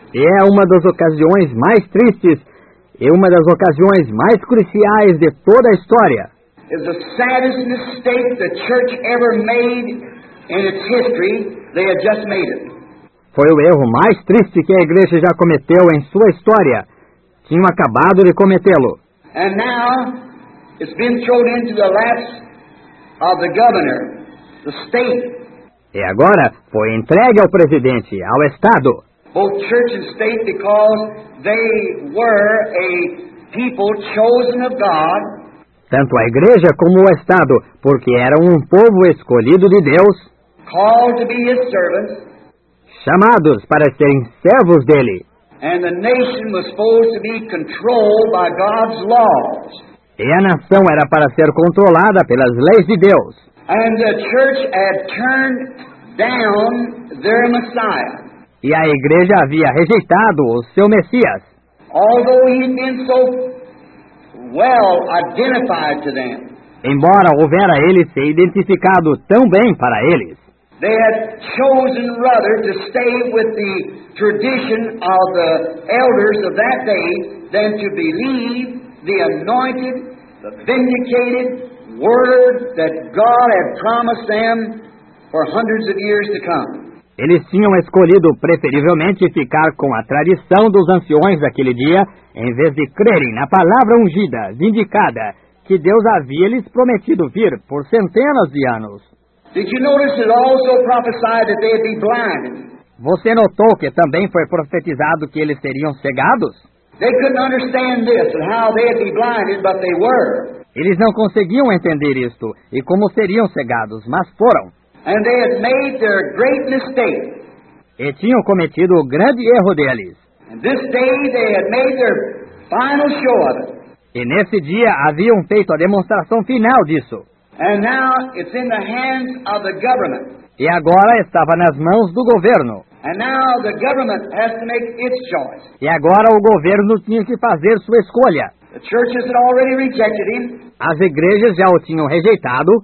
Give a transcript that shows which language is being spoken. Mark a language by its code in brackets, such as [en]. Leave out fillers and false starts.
[pt] E é uma das ocasiões mais tristes e uma das ocasiões mais cruciais de toda a história. [en] It's the saddest mistake the church ever made in its history. They had just made it. [pt] Foi o erro mais triste que a igreja já cometeu em sua história. Tinham acabado de cometê-lo. [en] And now, it's been thrown into the laps of the governor, the state. [pt] E agora, foi entregue ao presidente, ao Estado. [en] Both church and state, because they were a people chosen of God. [pt] Tanto a igreja como o Estado, porque eram um povo escolhido de Deus. [en] Called to be his servants. [pt] Chamados para serem servos dele. [en] And the nation was supposed to be controlled by God's laws. [pt] E a nação era para ser controlada pelas leis de Deus. [en] And the church had turned down their Messiah. [pt] E a igreja havia rejeitado o seu Messias. [en] Although he'd been so well identified to them. [pt] Embora houvera ele se identificado tão bem para eles. [en] They had chosen rather to stay with the tradition of the elders of that day than to believe the anointed, the vindicated word that God had promised them for hundreds of years to come. [pt] Eles tinham escolhido preferivelmente ficar com a tradição dos anciões daquele dia em vez de crerem na palavra ungida, vindicada, que Deus havia lhes prometido vir por centenas de anos. [en] Did you notice it also prophesied that they'd be blind? [pt] Você notou que também foi profetizado que eles seriam cegados? [en] They couldn't understand this and how they'd be blinded, but they were. [pt] Eles não conseguiam entender isto e como seriam cegados, mas foram. [en] And they had made their great mistake. [pt] E tinham cometido o grande erro deles. [en] And this day they had made their final show of it. [pt] E nesse dia haviam feito a demonstração final disso. [en] And now it's in the hands of the government. [pt] E agora estava nas mãos do governo. [en] And now the government has to make its choice. [pt] E agora o governo tinha que fazer sua escolha. [en] The churches had already rejected him. [pt] As igrejas já o tinham rejeitado.